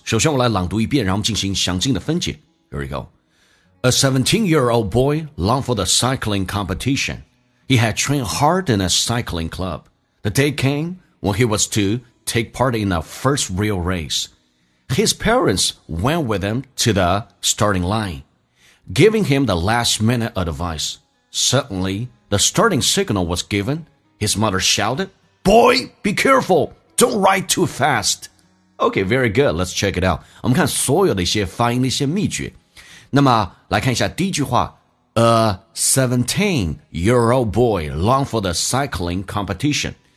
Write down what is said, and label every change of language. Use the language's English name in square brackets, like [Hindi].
[Chinese] 首先我来朗读一遍，然后我们进行详尽的分解。 [English] Here we go. A 17-year-old boy longed for the cycling competition. He had trained hard in a cycling club. The day came when he was to take part in the first real race. His parents went with him to the starting line, giving him the last minute advice. Suddenly,The starting signal was given. His mother shouted, Boy, be careful. Don't ride too fast. Okay, very good. Let's check it out. [Chinese] 我们看所有的一些发音的一些秘诀。那么来看一下第一句话。 [English] A 17-year-old boy longed for the cycling competition.